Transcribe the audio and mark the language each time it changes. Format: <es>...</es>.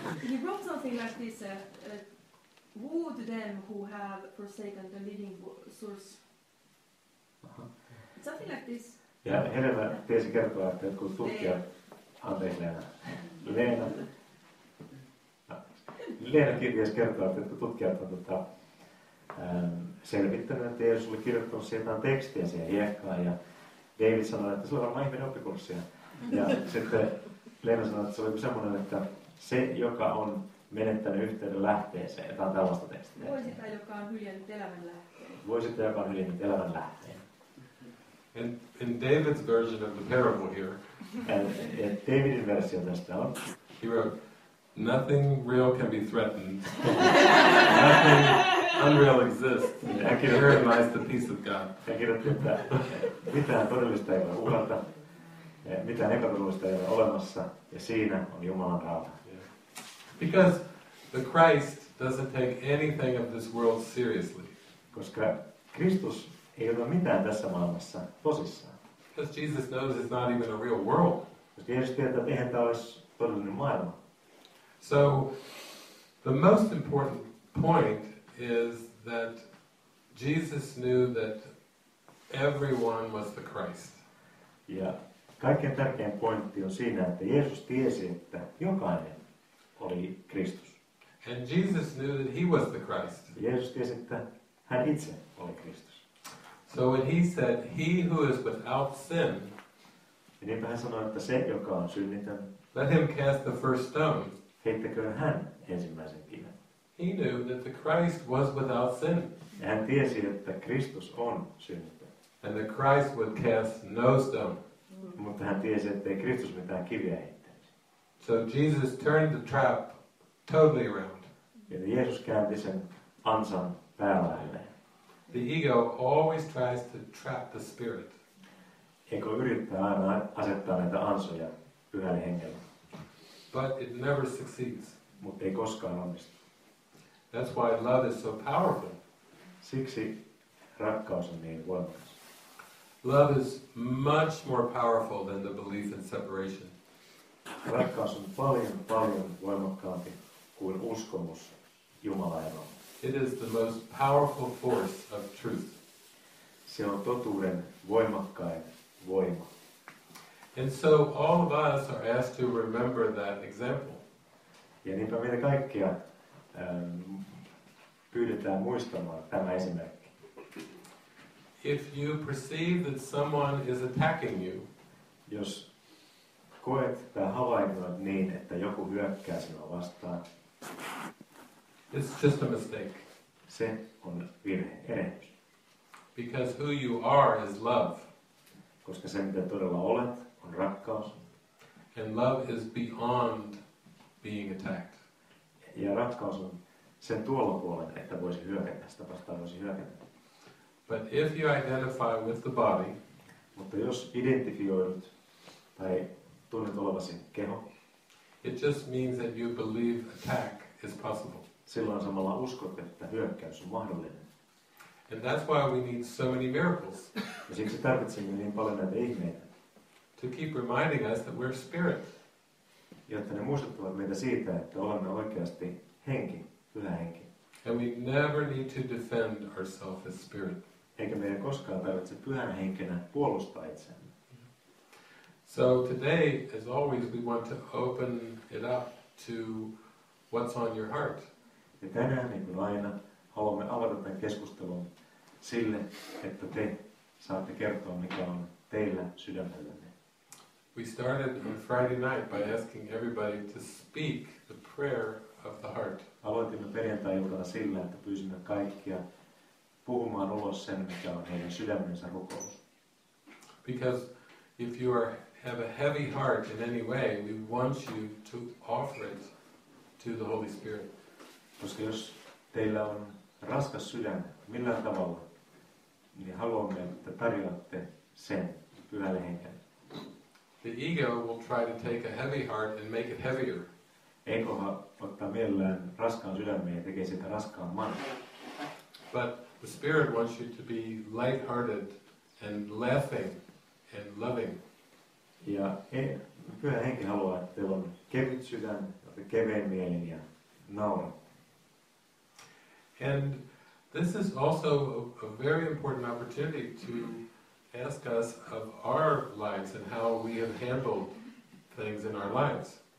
<en>he wrote something like this, "Woe to them who have forsaken the living source." Uh-huh. Something like this.</en> <fi>Yeah, Helena teesi kertoo, että kun tutkija, anteeksi Leena, Leena kirjeessä kertoo, että tutkijat on selvittänyt, että Jeesus oli kirjoittanut sieltään tekstiä siihen hiekkaan, ja David sanoi, että se oli varmaan ihminen oppikurssia. Ja sitten Leena sanoi, että se oli semmoinen, että se, joka on menettänyt yhteyden lähteeseen. Ja tämä on tällaista tekstiä. Voi sitä, joka on hyljännyt elämän lähteen. Voi sitä, joka on hyljännyt elämän lähteen.</fi> <en>In David's version of the parable here.</en> <fi>Ja Davidin versio tästä on.</fi> <en>He wrote, "Nothing real can be threatened. Nothing unreal exists. Herein lies the peace of God."</en> <fi>Hän kirjoitti, että mitään todellista ei ole uhata, mitään epätodellista ei ole olemassa, ja siinä on Jumalan rauha.</fi> <en>Because the Christ doesn't take anything of this world seriously.</en> <fi>Koska Kristus ei ota mitään tässä maailmassa tosissaan.</fi> <en>Because Jesus knows it's not even a real world.</en> <fi>Koska Jeesus tietää, että eihän tämä olisi todellinen maailma.</fi> <en>So the most important point is that Jesus knew that everyone was the Christ.</en> <fi>Ja kaikkein tärkein pointti on siinä, että Jeesus tiesi, että jokainen oli Kristus.</fi> <en>And Jesus knew that he was the Christ.</en> <fi>Jeesus tiesi, että hän itse oli Kristus.</fi> <en>So when he said, "He who is without sin,"</en> <fi>ja niinpä hän sanoi, että se, joka on synnitön,</fi> <en>"let him cast the first stone."</en> <fi>Heittäköön hän ensimmäisen kiven.</fi> <en>He knew that the Christ was without sin.</en> <fi>Hän tiesi, että Kristus on synnytön.</fi> <en>And the Christ would cast no stone.</en> <fi>Mutta hän tiesi, ettei Kristus mitään kiviä heittäisi.</fi> <en>So Jesus turned the trap totally around.</en> <fi>Eli Jeesus käänti sen ansan päälailleen.</fi> <en>The ego always tries to trap the spirit.</en> <fi>Ego yrittää aina asettaa näitä ansoja Pyhälle Hengelle.</fi> <en>But it never succeeds.</en> <fi>Mutta ei koskaan onnistu.</fi> <en>That's why love is so powerful.</en> <fi>Siksi rakkaus on niin voimakas.</fi> <en>Love is much more powerful than the belief in separation.</en> <fi>Rakkaus on paljon, paljon voimakkaampi kuin uskomus Jumalaeroon.</fi> <en>It is the most powerful force of truth.</en> <fi>Se on totuuden voimakkain voima.</fi> <en>And so all of us are asked to remember that example.</en> <fi>Ja niinpä meitä kaikkia pyydetään muistamaan tämä esimerkki.</fi> <en>If you perceive that someone is attacking you,</en> <fi>jos koet tai havainnoit niin, että joku hyökkää sinua vastaan,</fi> <en>it's just a mistake.</en> <fi>Se on virhe, erehdys.</fi> <en>Because who you are is love.</en> <fi>Koska se, mitä todella olet, on rakkaus.</fi> <en>And love is beyond being attacked.</en> <fi>Ja rakkaus on sen tuolla puolella, että voisi hyökätä, sitä vastaan voisi hyökätä.</fi> <en>But if you identify with the body,</en> <fi>mutta jos identifioidut tai tunnet olevasi keho,</fi> <en>it just means that you believe attack is possible.</en> <fi>Silloin samalla uskot, että hyökkäys on mahdollinen.</fi> <en>And that's why we need so many miracles.</en> <fi>Ja siksi tarvitsemme niin paljon näitä ihmeitä.</fi> <en>To keep reminding us that we're spirit.</en> <fi>Jotta ne muistuttavat meitä siitä, että olemme oikeasti henki, pyhä henki.</fi> <en>And we never need to defend ourselves as spirit.</en> <fi>Eikä meidän koskaan tarvitse pyhän henkenä puolustaa itseämme.</fi> <en>So today, as always, we want to open it up to what's on your heart.</en> <fi>Ja tänään, niin kuin aina, haluamme avata tämän keskustelun sille, että te saatte kertoa, mikä on teillä sydämellänne.</fi> <en>We started on Friday night by asking everybody to speak the prayer of the heart.</en> <fi>Aloitimme perjantai-iltana sillä, että pyysimme kaikkia puhumaan ulos sen, mikä on heidän sydämensä rukous.</fi> <en>Because if you are have a heavy heart in any way, we want you to offer it to the Holy Spirit.</en> <fi>Koska jos teillä on raskas sydän millään tavalla, niin haluamme, että tarjoatte sen pyhälle henkelle.</fi> <en>The ego will try to take a heavy heart and make it heavier.</en> <fi>Ego ottaa mielellään raskaan sydämen ja tekee sitä raskaamman.</fi> <en>But the Spirit wants you to be light-hearted and laughing and loving.</en> <fi>Ja pyhä henki haluaa, että teillä on kevyt sydän, että keveen mielin ja naurat.</fi> <en>And this is also a very important opportunity to ask us of our lives and how we have handled things in our lives.</en>